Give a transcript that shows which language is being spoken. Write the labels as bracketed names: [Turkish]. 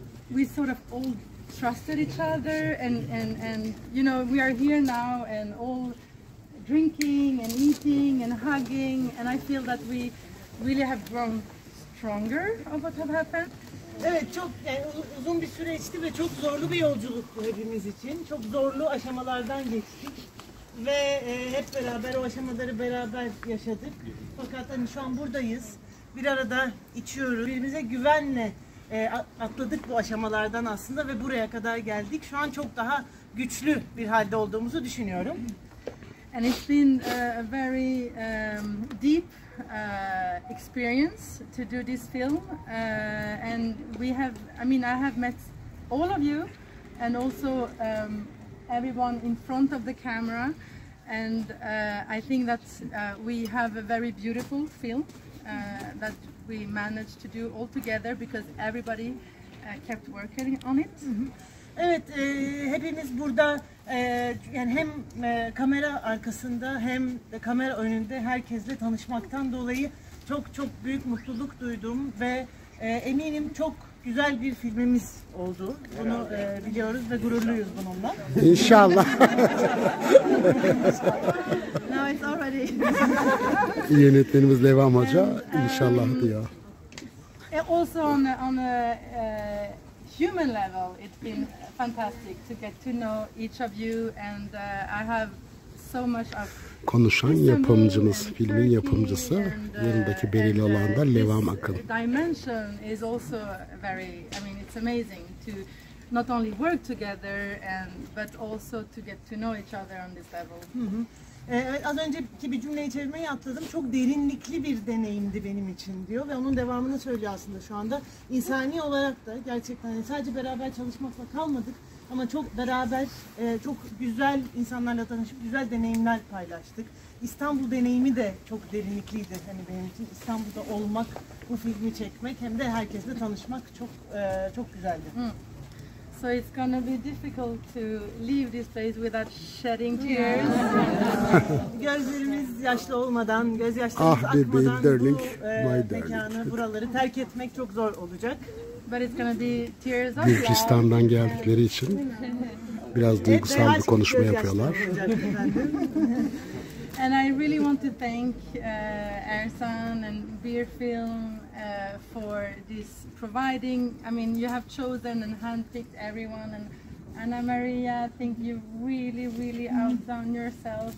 [English] we sort of all trusted each other and you know we are here now and all drinking and eating and hugging and I feel that we really have grown stronger of what have happened. [Turkish] Evet çok yani uzun bir süreçti ve çok zorlu bir yolculuktu hepimiz için. Çok zorlu aşamalardan geçtik ve hep beraber o aşamaları beraber yaşadık. Fakat hani şu an buradayız. Bir arada içiyoruz. Birbirimize güvenle atladık bu aşamalardan aslında ve buraya kadar geldik. Şu an çok daha güçlü bir halde olduğumuzu düşünüyorum. [English] And it's been a very deep experience to do this film. And we have, I mean, I have met all of you and also everyone in front of the camera. And I think that we have a very beautiful film that we managed to do all together because everybody kept working on it. [Turkish] Evet, hepimiz burada yani hem kamera arkasında hem de kamera önünde herkesle tanışmaktan dolayı çok çok büyük mutluluk duydum ve eminim çok güzel bir filmimiz oldu. Bunu biliyoruz ve gururluyuz bununla. İnşallah. Yönetmenimiz Levam Hoca inşallah diyor. [English] Also on a human level it's been fantastic to get to know each of you and I have so much of [Turkish] konuşan yapımcımız filmin yapımcısı yanındaki belirli olan da Levam Akın. [English] Dimension is also very I mean it's amazing to not only work together and but also to get to know each other on this level. [Turkish] Hı hı. Az önceki bir cümleyi çevirmeyi atladım. Çok derinlikli bir deneyimdi benim için diyor. Ve onun devamını söylüyor aslında şu anda. İnsani olarak da gerçekten sadece beraber çalışmakla kalmadık. Ama çok beraber, çok güzel insanlarla tanışıp güzel deneyimler paylaştık. İstanbul deneyimi de çok derinlikliydi hani benim için. İstanbul'da olmak, bu filmi çekmek hem de herkesle tanışmak çok çok güzeldi. Hmm. [English] So it's gonna be difficult to leave this place without shedding tears. [Turkish] Gözlerimiz yaşlı olmadan, gözyaşlarımız akmadan bu mekanı, buraları terk etmek çok zor olacak. [English] But it's gonna be tears. [Turkish] Gürcistan'dan geldikleri için biraz duygusal bir konuşma yapıyorlar. [English] And I really want to thank Ersan and Beer Film for this providing. I mean, you have chosen and handpicked everyone. And Anna Maria, I think you really, really outdone yourself.